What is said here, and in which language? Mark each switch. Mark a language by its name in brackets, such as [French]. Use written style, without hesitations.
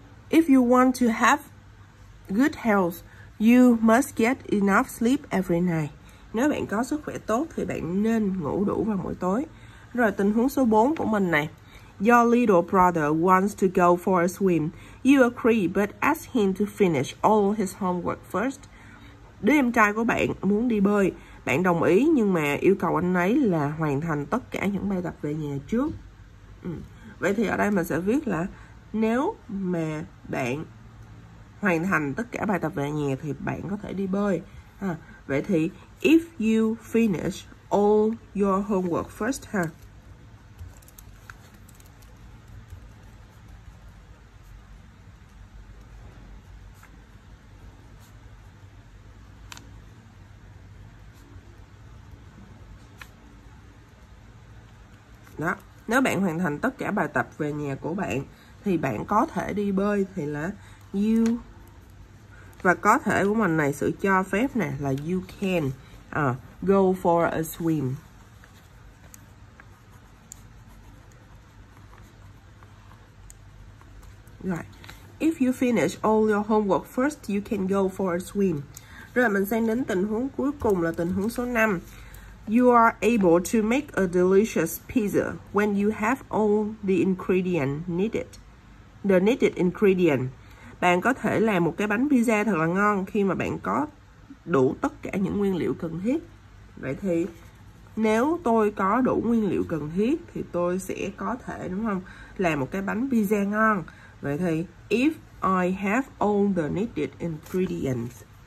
[English] If you want to have good health, you must get enough sleep every night. [Vietnamese] Nếu bạn có sức khỏe tốt thì bạn nên ngủ đủ vào mỗi tối. Rồi tình huống số 4 của mình này. [English] Your little brother wants to go for a swim. You agree but ask him to finish all his homework first. [Vietnamese] Đứa em trai của bạn muốn đi bơi. Bạn đồng ý nhưng mà yêu cầu anh ấy là hoàn thành tất cả những bài tập về nhà trước. Vậy thì ở đây mình sẽ viết là nếu mà bạn hoàn thành tất cả bài tập về nhà thì bạn có thể đi bơi. À, vậy thì [English] if you finish all your homework first, ha. [Vietnamese] Đó. Nếu bạn hoàn thành tất cả bài tập về nhà của bạn thì bạn có thể đi bơi, thì là you Và có thể của mình này, sự cho phép nè là [English] you can go for a swim. [Vietnamese] Rồi. [English] If you finish all your homework first, you can go for a swim. [Vietnamese] Rồi mình sang đến tình huống cuối cùng là tình huống số 5. [English] You are able to make a delicious pizza when you have all the ingredients needed. The needed ingredient. [Vietnamese] Bạn có thể làm một cái bánh pizza thật là ngon khi mà bạn có đủ tất cả những nguyên liệu cần thiết. Vậy thì nếu tôi có đủ nguyên liệu cần thiết thì tôi sẽ có thể, đúng không, làm một cái bánh pizza ngon. Vậy thì [English] if I have all the needed ingredients.